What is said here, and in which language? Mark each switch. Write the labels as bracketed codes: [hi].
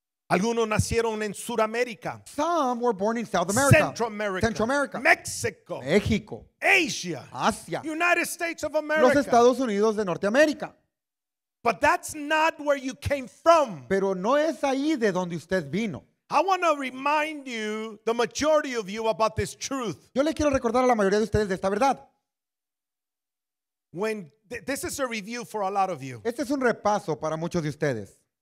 [es] Algunos nacieron en Sudamérica. [en] Some were born in South America. Central America. [es] Central America. [en] Mexico. [es] México. [en] Asia. [es] Asia. [en] United States of America. [es] Los Estados Unidos de Norteamérica. [en] But that's not where you came from. [es] Pero no es ahí de donde usted vino. [en] I want to remind you, the majority of you, about this truth. [es] Yo le quiero recordar a la mayoría de ustedes de esta verdad. [en] When this is a review for a lot of you. [es] Este es un repaso para muchos de ustedes.